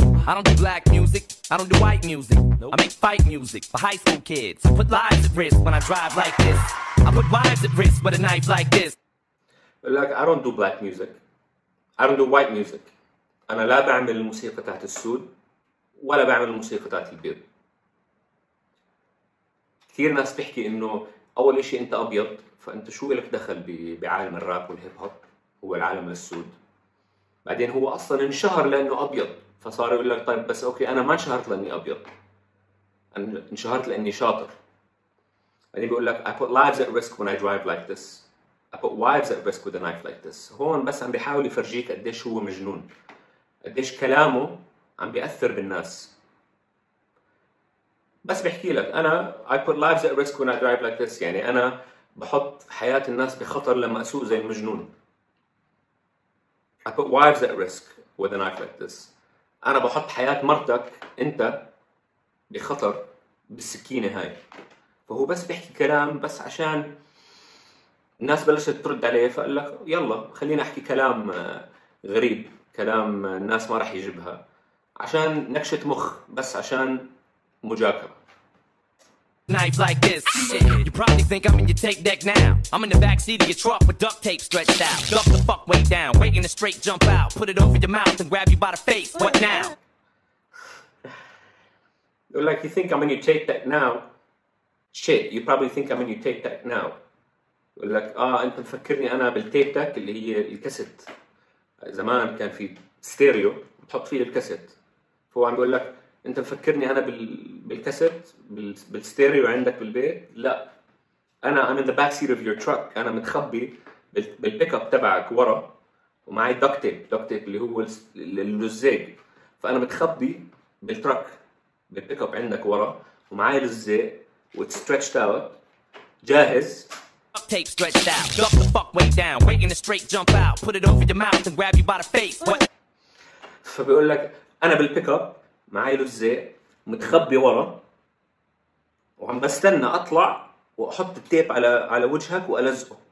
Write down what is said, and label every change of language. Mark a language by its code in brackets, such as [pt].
[en] I don't do black music, I don't do white music, I make fight music for high school kids. Put lives at risk when I drive like this, I put lives at risk with a knife like this. Like, I don't do black music, I don't do white music. [ar] انا لا بعمل الموسيقى تحت السود ولا بعمل الموسيقى تاعت البيض. كثير ناس بتحكي انه اول اشي انت ابيض، فانت شو الك دخل بعالم الراب والهيب هوب؟ هو العالم السود. بعدين هو اصلا انشهر لانه ابيض، فصار يقول لك طيب بس اوكي انا ما انشهرت لاني ابيض، انا انشهرت لاني شاطر. يعني بيقول لك [en] I put lives at risk when I drive like this. I put wives at risk with a knife like this. [ar] هون بس عم بيحاول يفرجيك قديش هو مجنون، قديش كلامه عم بيأثر بالناس. بس بحكي لك أنا [en] I put lives at risk when I drive like this، [ar] يعني أنا بحط حياة الناس بخطر لما أسوق زي المجنون. [en] I put wives at risk with a knife like this. [ar] أنا بحط حياة مرتك أنت بخطر بالسكينة هاي. فهو بس بيحكي كلام بس عشان الناس بلشت ترد عليه، فقال لك يلا خلينا أحكي كلام غريب، كلام الناس ما رح يجيبها، عشان نكشة مخ بس عشان مجاكرة. [en] Knife like this. You probably think I'm in your tape deck now. I'm in the back seat of your truck with duct tape stretched out. Duck the fuck way down, waiting to straight jump out. Put it over your mouth and grab you by the face. What now? Like you think I'm in your tape deck now. Shit, you probably think I'm in your tape deck now. [ar] يقول لك انت مفكرني انا بالتيب تاك اللي هي الكاسيت. زمان كان في ستيريو بتحط فيه الكاسيت. هو عم بيقول لك انت مفكرني انا بالكاسيت بالستيريو عندك بالبيت؟ لا، انا [en] I'm in the back seat of your truck. [ar] انا متخبي بالبيك اب تبعك ورا ومعي دكتيب اللي هو اللزاق. فانا متخبي بالتراك بالبيك اب عندك ورا ومعي لزاق وتسترتشت اوت جاهز. [en] Tape stretched out. Duck the fuck way down. Waiting to straight jump out. Put it over your mouth and grab you by the face. What? [ar] فبيقول لك أنا بالبيك اب معي لزة متخبي ورا وعم بستنى أطلع وأحط التيب على وجهك وألزقه.